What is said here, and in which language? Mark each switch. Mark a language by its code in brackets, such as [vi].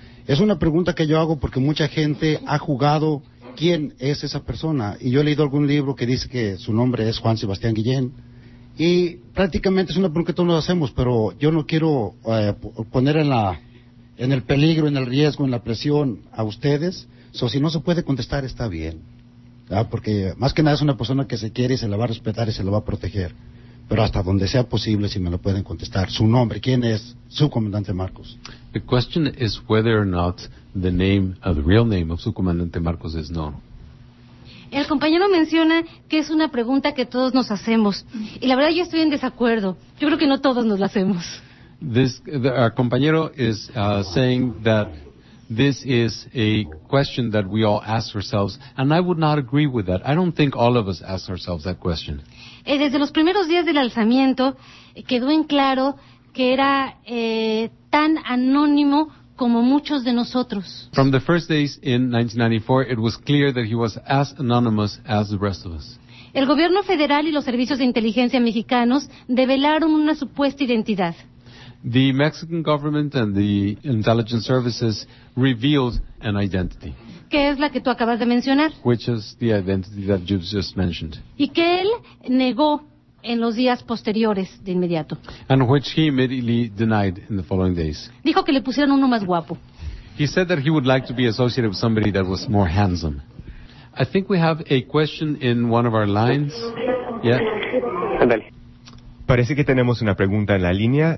[es] Es una pregunta que yo hago porque mucha gente ha jugado quién es esa persona, y yo he leído algún libro que dice que su nombre es Juan Sebastián Guillén, y prácticamente es una pregunta que todos nos hacemos, pero yo no quiero poner en el peligro, en el riesgo, en la presión a ustedes. So, si no se puede contestar, está bien, ¿ya? Porque más que nada es una persona que se quiere y se la va a respetar y se la va a proteger. Pero hasta donde sea posible, si me lo pueden contestar. Su nombre, ¿quién es Subcomandante Marcos? [en] The question is whether or not the name, the real name of Subcomandante Marcos is known. [es] El compañero menciona que es una pregunta que todos nos hacemos. Y la verdad yo estoy en desacuerdo. Yo creo que no todos nos la hacemos. [en] Our compañero is saying that this is a question that we all ask ourselves, and I would not agree with that. I don't think all of us ask ourselves that question. [es] Desde los primeros días del alzamiento, quedó en claro que era tan anónimo como muchos de nosotros. [en] From the first days in 1994, it was clear that he was as anonymous as the rest of us. [es] El gobierno federal y los servicios de inteligencia mexicanos develaron una supuesta identidad. [en] The Mexican government and the intelligence services revealed an identity. [es] ¿Qué es la que tú acabas de mencionar? [en] Which is the identity that you've just mentioned. [es] Y que él negó en los días posteriores de inmediato. [en] And which he immediately denied in the following days. [es] Dijo que le pusieran uno más guapo. [en] He said that he would like to be associated with somebody that was more handsome. I think we have a question in one of our lines. Yeah. [es] Andale. Parece que tenemos una pregunta en la línea.